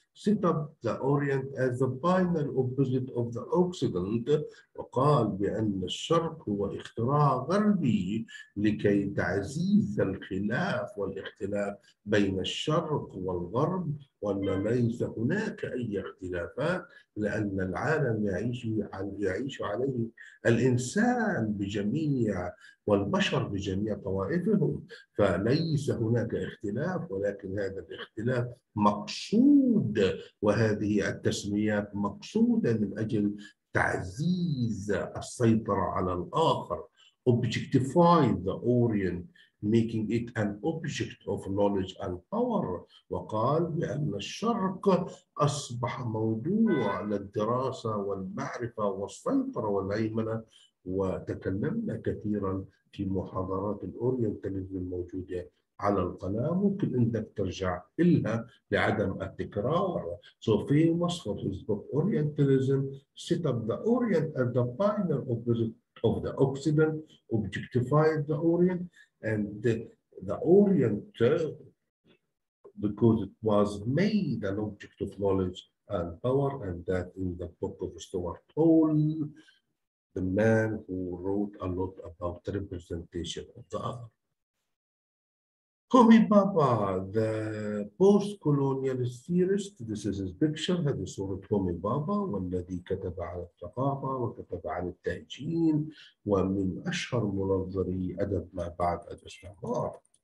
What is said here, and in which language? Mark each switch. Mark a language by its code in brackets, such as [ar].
[en] Set up the Orient as the final opposite of the Occident. [ar] وقال بأن الشرق هو اختراع غربي لكي تعزيز الخلاف والاختلاف بين الشرق والغرب، وأن ليس هناك أي اختلافات لأن العالم يعيش عليه الإنسان بجميع والبشر بجميع طوائفهم، فليس هناك اختلاف، ولكن هذا الاختلاف مقصود وهذه التسميات مقصودة من أجل تعزيز السيطرة على الآخر. [en] Objectify the Orient, making it an object of knowledge and power. [ar] وقال بأن الشرق أصبح موضوع للدراسة والمعرفة والسيطرة والهيمنة، وتكلمنا كثيرا في محاضرات الأورينتاليزم الموجودة على القناة، ممكن أنك ترجع إلها لعدم التكرار. [en] So famous for his book Orientalism, set up the Orient as the final opposite of the Occident, objectified the Orient, and the Orient, because it was made an object of knowledge and power, and that in the book of Stuart Hall, the man who wrote a lot about the representation of the other. Homi Bhabha, the post-colonialist theorist, this is his picture, [ar] هذه صورة Homi Bhabha، والذي كتب على الثقافة وكتب على التهجين، ومن أشهر منظري أدب ما بعد الاستعمار.